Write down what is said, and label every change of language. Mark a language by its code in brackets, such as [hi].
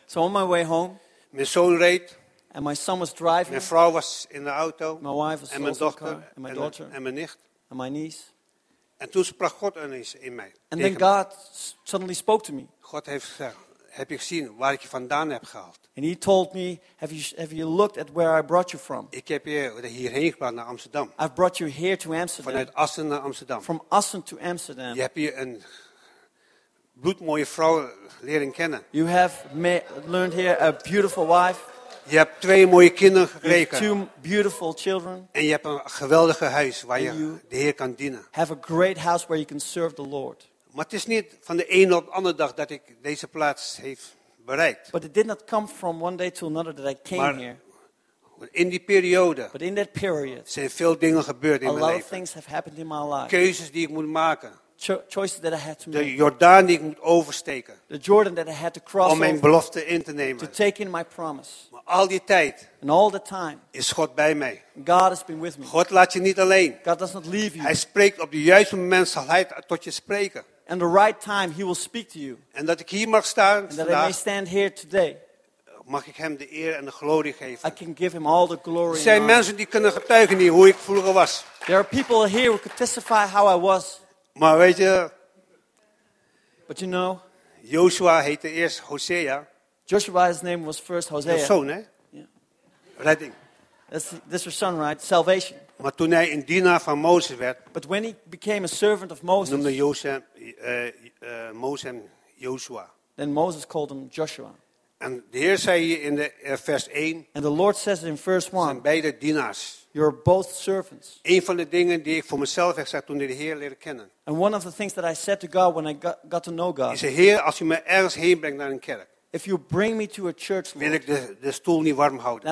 [en] So on my way home. [nl] Mijn zoon reed. [en] And my son was driving. [nl] Mijn vrouw was in de auto. [en] My wife was [nl] en mijn dochter. [en] Car, and my daughter, [nl] en mijn nicht. [en] And my niece. [nl] En toen sprak God ineens in mij. [en] And then God suddenly spoke to me. [nl] God heeft gezegd, heb je gezien waar ik je vandaan heb gehaald? [en] And he told me, have you looked at where I brought you from? [nl] Ik heb je hierheen gebracht naar Amsterdam. [en] I've brought you here to Amsterdam. [nl] Vanuit Assen naar Amsterdam. [en] From Assen to Amsterdam. [nl] Je hebt hier een bloedmooie vrouw leren kennen. [en] You have learned here a beautiful wife. [nl] Je hebt twee mooie kinderen gekregen. [en] Two beautiful children. [nl] En je hebt een geweldige huis waar je de Heer kan dienen. [en] Have a great house where you can serve the Lord. [nl] Maar het is niet van de ene op de andere dag dat ik deze plaats heb bereikt. [en] But it did not come from one day to another that I came [nl] maar [en] here. [nl] In die periode. [en] But in that period. [nl] Zijn veel dingen gebeurd in mijn leven. [en] A lot of things have happened in my life. [nl] Keuzes die ik moet maken. [en] Choices that I had to make. [nl] De Jordaan die ik moet oversteken. [en] The Jordan that I had to cross [nl] om mijn belofte in te nemen. [en] To take in my promise. [nl] Maar al die tijd. [en] And all the time. [nl] Is God bij mij. [en] God has been with me. [nl] God laat je niet alleen. [en] God does not leave you. [nl] Hij spreekt op de juiste moment zal hij tot je spreken. [en] And the right time he will speak to you. [nl] En dat ik hier mag staan [en] and [nl] vandaag. [en] That I may stand here today. [nl] Mag ik hem de eer en de glorie geven. [en] I can give him all the glory. [nl] Er zijn mensen die kunnen getuigen hier hoe ik vroeger was. [en] There are people here who can testify how I was. [nl] Maar weet je, [en] but you know, [nl] Joshua heette eerst Hosea. [en] Joshua's name was first Hosea. [nl] Dat is zoon, hè? Yeah. Redding. [en] That's your son, right? Salvation. [nl] Maar toen hij een dienaar van Mozes werd, [en] but when he became a servant of Moses, [nl] noemde Joshua, Moses Joshua. [en] Then Moses called him Joshua. [nl] En de Heer zei hier in de vers 1, [en] and the Lord says in verse 1, [nl] zijn beide dienaars. [en] You're both servants. [nl] Een van de dingen die ik voor mezelf heb gezegd toen ik de Heer leerde kennen. [en] And one of the things that I said to God when I got to know God. [nl] Is Heer, als u me ergens heen brengt naar een kerk. [en] If you bring me to a church, [nl] wil ik de stoel niet warm houden.